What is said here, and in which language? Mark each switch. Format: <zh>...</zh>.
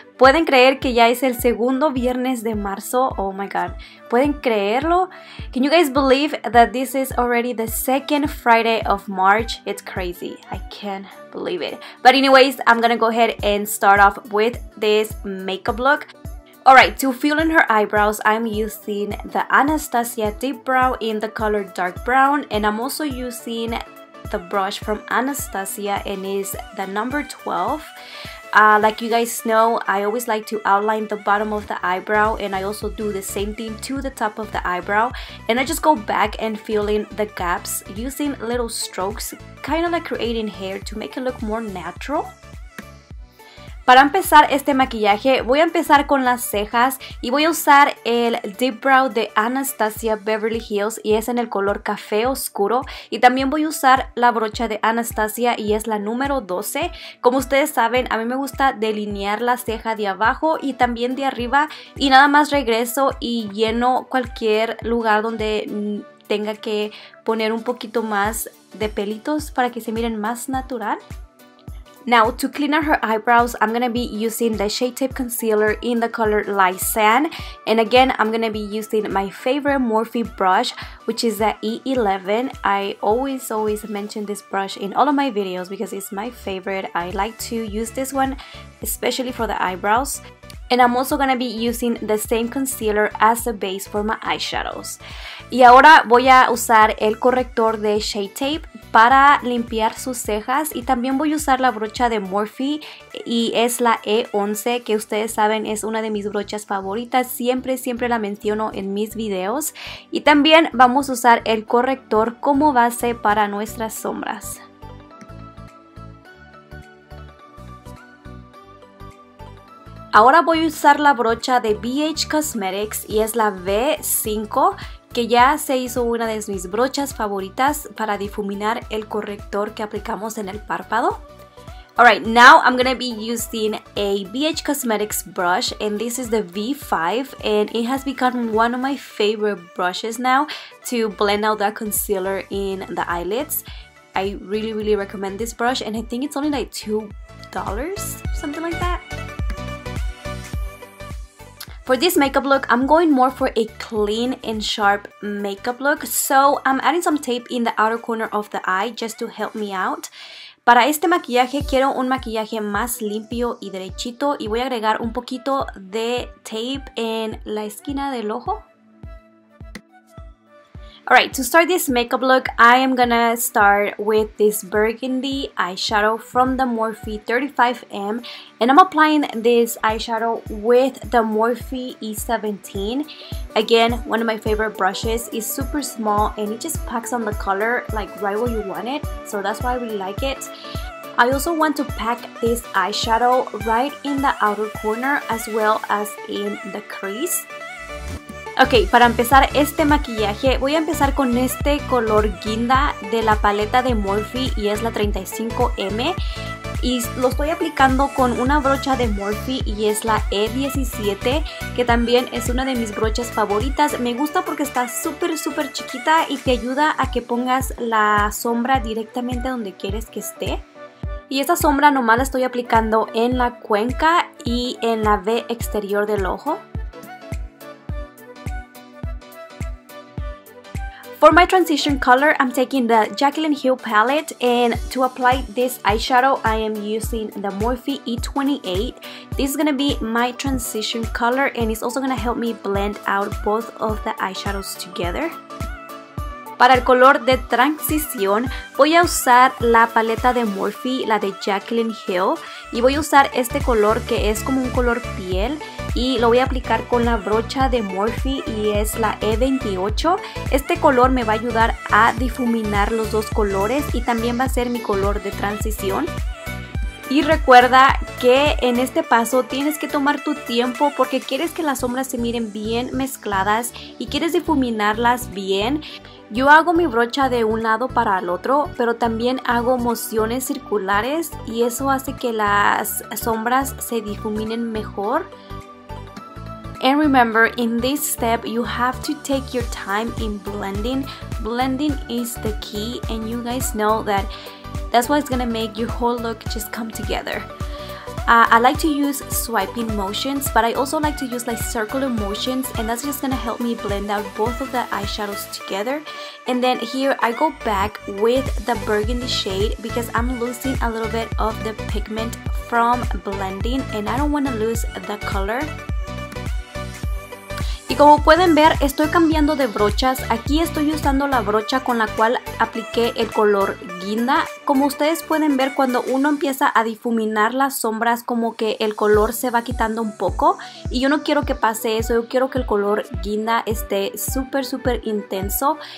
<es>¿Pueden creer que ya es el segundo viernes de marzo?</es> <en>Oh my god,</en> <es>¿pueden creerlo?</es> <en>Can you guys believe that this is already the second Friday of March? It's crazy, I can't believe it. But anyways, I'm gonna go ahead and start off with this makeup look. Alright, to fill in her eyebrows, I'm using the Anastasia Deep Brow in the color Dark Brown, and I'm also using the brush from Anastasia, and is the number 12. Like you guys know, I always like to outline the bottom of the eyebrow, and I also do the same thing to the top of the eyebrow, and I just go back and fill in the gaps using little strokes, kind of like creating hair to make it look more natural.</en> <es>Para empezar este maquillaje, voy a empezar con las cejas y voy a usar el Deep Brow de Anastasia Beverly Hills y es en el color café oscuro. Y también voy a usar la brocha de Anastasia y es la número 12. Como ustedes saben, a mí me gusta delinear la ceja de abajo y también de arriba y nada más regreso y lleno cualquier lugar donde tenga que poner un poquito más de pelitos para que se miren más natural.</es> <en>Now, to clean out her eyebrows, I'm going to be using the Shade Tape Concealer in the color Lysan. And again, I'm going to be using my favorite Morphe brush, which is the E11. I always mention this brush in all of my videos because it's my favorite. I like to use this one, especially for the eyebrows. And I'm also going to be using the same concealer as a base for my eyeshadows.</en> <es>Y ahora voy a usar el corrector de Shade Tape para limpiar sus cejas y también voy a usar la brocha de Morphe y es la E11, que ustedes saben es una de mis brochas favoritas, siempre la menciono en mis videos. Y también vamos a usar el corrector como base para nuestras sombras. Ahora voy a usar la brocha de BH Cosmetics y es la V5, que ya se hizo una de mis brochas favoritas para difuminar el corrector que aplicamos en el párpado.</es> <en>Alright, now I'm gonna be using a BH Cosmetics brush and this is the V5 and it has become one of my favorite brushes now to blend out that concealer in the eyelids. I really recommend this brush and I think it's only like $2, something like that. For this makeup look, I'm going more for a clean and sharp makeup look. So I'm adding some tape in the outer corner of the eye just to help me out.</en> <es>Para este maquillaje quiero un maquillaje más limpio y derechito y voy a agregar un poquito de tape en la esquina del ojo.</es> <en>Alright, to start this makeup look, I am gonna start with this burgundy eyeshadow from the Morphe 35M. And I'm applying this eyeshadow with the Morphe E17. Again, one of my favorite brushes. It's super small and it just packs on the color like right where you want it. So that's why I really like it. I also want to pack this eyeshadow right in the outer corner as well as in the crease.</en> <es>Ok, para empezar este maquillaje voy a empezar con este color guinda de la paleta de Morphe y es la 35M y lo estoy aplicando con una brocha de Morphe y es la E17, que también es una de mis brochas favoritas. Me gusta porque está súper chiquita y te ayuda a que pongas la sombra directamente donde quieres que esté. Y esta sombra nomás la estoy aplicando en la cuenca y en la V exterior del ojo.</es> <en>For my transition color, I'm taking the Jaclyn Hill palette and to apply this eyeshadow, I am using the Morphe E28. This is going to be my transition color and it's also going to help me blend out both of the eyeshadows together.</en> <es>Para el color de transición, voy a usar la paleta de Morphe, la de Jaclyn Hill, y voy a usar este color que es como un color piel. Y lo voy a aplicar con la brocha de Morphe y es la E28. Este color me va a ayudar a difuminar los dos colores y también va a ser mi color de transición. Y recuerda que en este paso tienes que tomar tu tiempo porque quieres que las sombras se miren bien mezcladas y quieres difuminarlas bien. Yo hago mi brocha de un lado para el otro, pero también hago mociones circulares y eso hace que las sombras se difuminen mejor.</es> <en>And remember, in this step, you have to take your time in blending. Blending is the key, and you guys know that that's what's gonna make your whole look just come together. I like to use swiping motions, but I also like to use like circular motions, and that's just gonna help me blend out both of the eyeshadows together. And then here I go back with the burgundy shade because I'm losing a little bit of the pigment from blending and I don't want to lose the color.</en> <es>Y como pueden ver, estoy cambiando de brochas. Aquí estoy usando la brocha con la cual apliqué el color guinda. Como ustedes pueden ver, cuando uno empieza a difuminar las sombras, como que el color se va quitando un poco. Y yo no quiero que pase eso, yo quiero que el color guinda esté súper, súper intenso.</es>